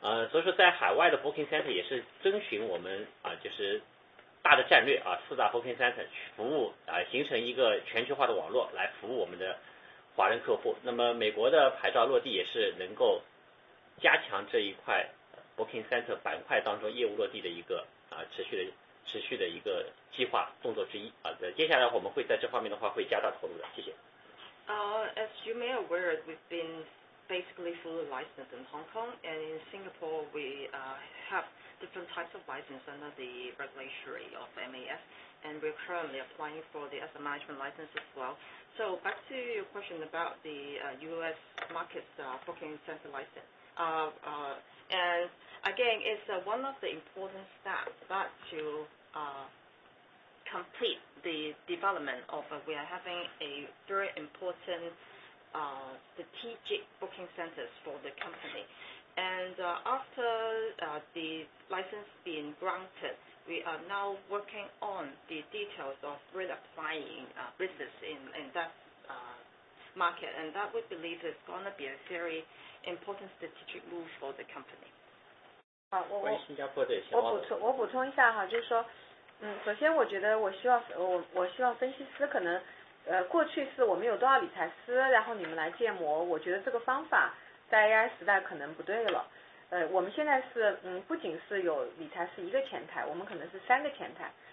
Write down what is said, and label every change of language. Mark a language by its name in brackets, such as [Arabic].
[Chinese] 所以说在海外的 Booking Center 也是遵循我们啊就是大的战略啊，四大 Booking Center 服务啊，形成一个全球化的网络来服务我们的华人客户。那么美国的牌照落地也是能够加强这一块 Booking Center 板块当中业务落地的一个啊持续的一个计划动作之一啊。接下来我们会在这方面的话会加大投入的，谢谢。 [English] As you may aware, we've been basically fully licensed in Hong Kong, and in Singapore we have different types of license under the regulatory of MAS, and we're currently applying for the asset management license as well. So back to your question about the U.S. market's booking center license. And again, it's one of the important steps that to complete the development of we are having a very important strategic booking centers for the company. And after the license being granted, we are now working on the details of reapplying business in that market, and that we believe is going to be a very important strategic move for the company. [Chinese] 我补充一下哈，就是说，首先我觉得我希望分析师可能过去是我们有多少理财师，然后你们来建模，我觉得这个方法在 AI 时代可能不对了。我们现在是不仅是有理财师一个前台，我们可能是三个前台。